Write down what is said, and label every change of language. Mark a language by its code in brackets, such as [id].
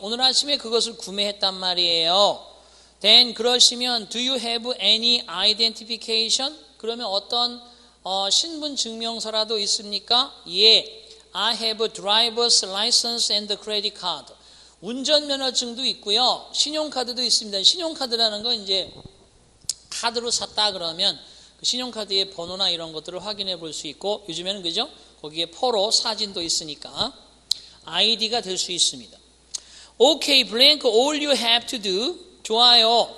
[ko] 오늘 아침에 그것을 구매했단 말이에요. [en] Then [ko] 그러시면 [en] Do you have any identification? [ko] 그러면 어떤 신분 증명서라도 있습니까? 예. [en] I have a driver's license and a credit card. [ko] 운전면허증도 있고요. 신용카드도 있습니다. 신용카드라는 건 이제 카드로 샀다 그러면 그 신용카드의 번호나 이런 것들을 확인해 볼 수 있고 요즘에는 그죠? 거기에 포로 사진도 있으니까 아이디가 될 수 있습니다. [en] Okay, blank, all you have to do. [ko] 좋아요.